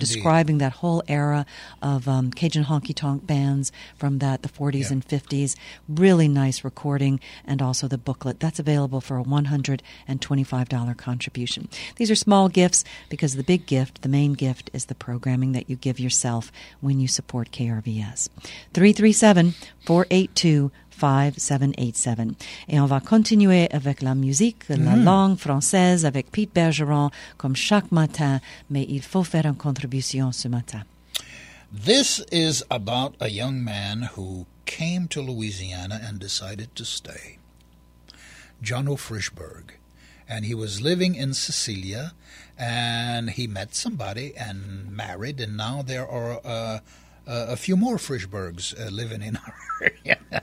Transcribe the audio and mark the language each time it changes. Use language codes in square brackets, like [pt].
[en] Describing that whole era of Cajun honky-tonk bands from the 40s and 50s. Really nice recording, and also the booklet. That's available for a $125 contribution. These are small gifts, because the big gift, the main gift, is the programming that you give yourself when you support KRVS. [fr] 337-482-5787. Et on va continuer avec la musique, la langue française, avec Pete Bergeron, comme chaque matin, mais il faut faire une contribution ce matin. [en] This is about a young man who came to Louisiana and decided to stay. Jono Frischberg. And he was living in Cecilia, and he met somebody and married, and now there are a few more Frischbergs living in our area.